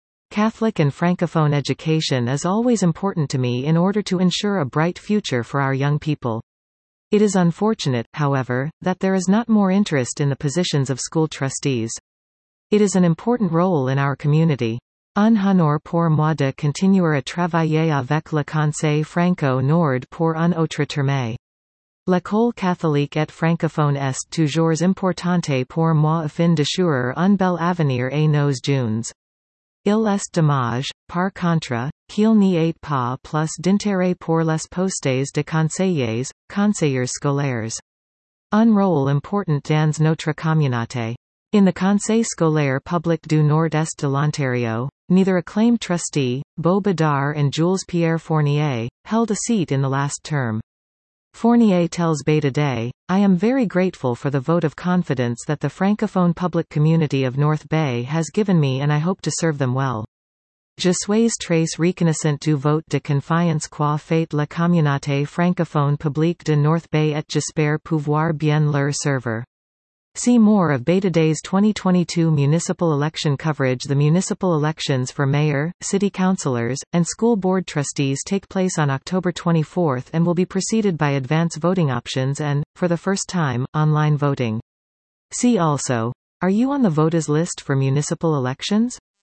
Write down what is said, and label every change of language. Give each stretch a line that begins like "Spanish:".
English: Catholic and Francophone education is always important to me in order to ensure a bright future for our young people. It is unfortunate, however, that there is not more interest in the positions of school trustees. It is an important role in our community.
French: Un honneur pour moi de continuer à travailler avec le Conseil Franco-Nord pour un autre terme. L'école catholique et francophone est toujours importante pour moi afin d'assurer un bel avenir à nos jeunes. Il est dommage, par contre, qu'il n'y ait pas plus d'intérêt pour les postes de conseillers, conseillers scolaires. Un rôle important dans notre communauté.
English: In the Conseil Scolaire Public du Nord-Est de l'Ontario, neither acclaimed trustee, Beau Bédard and Jules-Pierre Fournier, held a seat in the last term. Fournier tells Beta Day, "I am very grateful for the vote of confidence that the Francophone public community of North Bay has given me, and I hope to serve them well.
French: Je suis très reconnaissant du vote de confiance qu'a fait la communauté francophone publique de North Bay et j'espère pouvoir bien leur servir."
English: See more of Beta Day's 2022 municipal election coverage. The municipal elections for mayor, city councillors, and school board trustees take place on October 24 and will be preceded by advance voting options and, for the first time, online voting. See also, are you on the voters list for municipal elections?